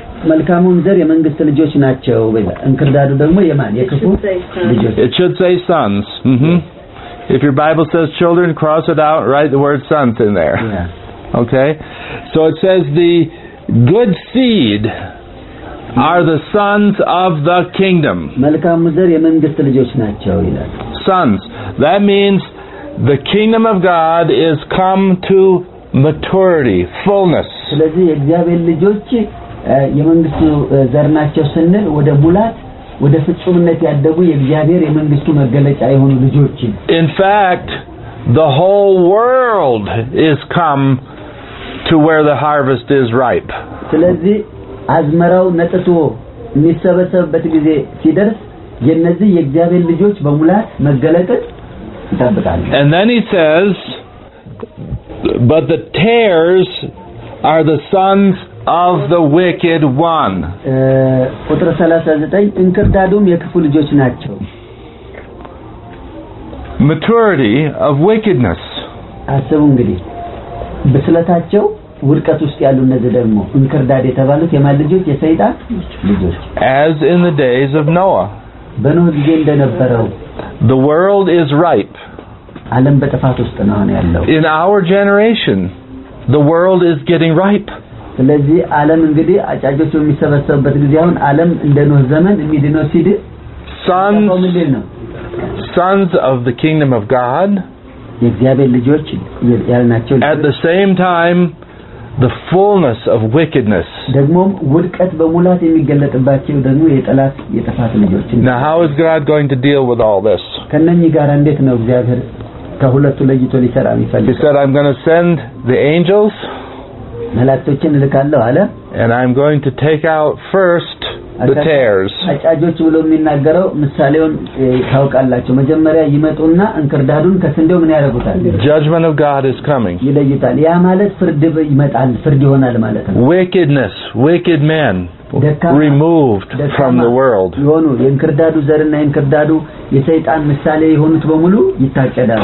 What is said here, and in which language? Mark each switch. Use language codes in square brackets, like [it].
[am] መልካሙም ዘር የመንግስት ልጆች ናቸው እንክርዳዱ ደግሞ የማን የክፉ ልጆች [en] It should say sons. Mhm. If your Bible says children cross it out write the word sons in there. Yeah. Okay. So it says the good seed are the sons of the kingdom. [am] መልካሙም ዘር የመንግስት ልጆች ናቸው ይላል. [en] Sons. That means the kingdom of God is come to maturity, fullness. [am] ስለዚህ የእግዚአብሔር ልጆች የመንግስቱ ዘርናቸው ስንል ወደ ሙላት ወደ ፍጹምነት ያደጉ የእግዚአብሔር የመንግስቱ መገለጫ የሆኑ ልጆች [en] In fact the whole world is come to where the harvest is ripe. [am] ስለዚህ አዝመራው ነጥቶ የሚሰበሰብበት ጊዜ ሲደርስ የነዚህ የእግዚአብሔር ልጆች በሙላት መገለጠት ይጠብቃል። [en] And then he says, but the tares are the sons of the wicked one. [am] ቁጥር 39 እንክርዳዱም የክፉ ልጆች ናቸው። [en] Maturity of wickedness. [am] አሰቡ እንግዲህ በስለታቸው ውድቀት ውስጥ ያሉ እነዚህ ደግሞ እንክርዳድ የተባሉት የማልጆች የሰይጣን ልጆች። [en] As in the days of Noah. [am] በኖህ ጊዜ እንደነበረው [en] The world is ripe. [am] ዓለም በጥፋት ውስጥ ነው አሁን ያለው። [en] In our generation the world is getting ripe. [am] ስለዚህ ዓለም እንግዲህ አጫጆች የሚሰበሰቡበት ጊዜ አሁን ዓለም እንደኖህ ዘመን እንዲኖር ሲል [en] Sons of the kingdom of God. [am] የእግዚአብሔር ልጆች ያልናቸው [en] At the same time the fullness of wickedness. [am] ደግሞ ውድቀት በሙላት የሚገለጥባቸው ደግሞ የጠላት የጥፋት ልጆች ናቸው። [en] Now how is God going to deal with all this? [am] ከነኚህ ጋር እንዴት ነው እግዚአብሔር ከሁለቱ ለይቶ ሊሰራ የሚፈልገው? [en] He said I'm going to send the angels. [am] መላእክቶችን እልካለሁ አለ። [en] And I'm going to take out first the tares. [am] አጫጆች ብሎ የሚናገረው ምሳሌውን ታውቃላችሁ። መጀመሪያ ይመጡና እንክርዳዱን ከስንዴው ምን ያረጋታል? [en] Judgment of God is coming. [am] ይለይታል። ያ ማለት ፍርድ ይመጣል፣ ፍርድ ይሆናል ማለት ነው። [en] Wickedness, wicked man removed from the world. [am] ይሆኑ የእንክርዳዱ ዘርና የእንክርዳዱ የሰይጣን ምሳሌ የሆኑት በሙሉ ይታጨዳሉ።